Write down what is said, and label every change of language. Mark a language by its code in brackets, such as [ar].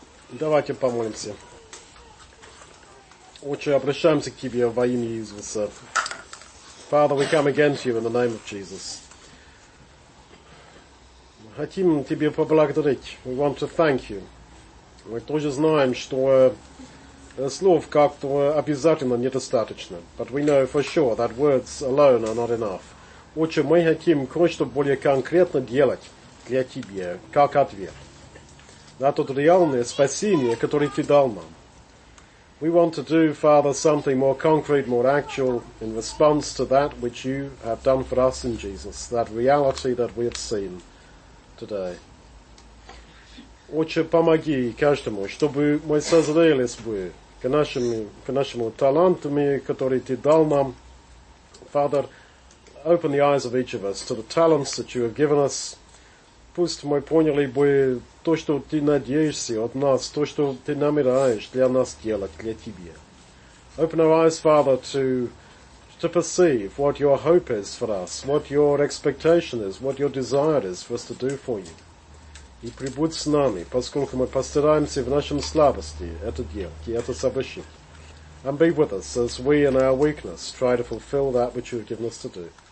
[ru] Давайте помолимся. Отче, обращаемся к Тебе во имя Иисуса. [en] Father, we come again to You in the name of Jesus. [ru] Мы хотим Тебе поблагодарить. [en] We want to thank You. [ru] Мы тоже знаем, что слов как-то обязательно недостаточно. [en] But we know for sure that words alone are not enough. [ru] Отче, мы хотим кое-что более конкретно делать для Тебя, как ответ на тот реальное спасение, которое Ты дал нам. [en] We want to do, Father, something more concrete, more actual, in response to that which You have done for us in Jesus, that reality that we have seen today. [ru] Отче, помоги каждому, чтобы мы созрелись бы к нашим талантам, которые Ты дал нам. [en] Father, open the eyes of each of us to the talents that You have given us. [ru] Пусть мы поняли бы то, что Ты надеешься от нас, то, что Ты намеряешь для нас делать, для Тебя. [en] Open our eyes, Father, to perceive what Your hope is for us, what Your expectation is, what Your desire is for us to do for You. [ru] И прибудь с нами, поскольку мы постараемся в нашем слабости это делать и это совершить. [en] And be with us as we in our weakness try to fulfill that which You have given us to do.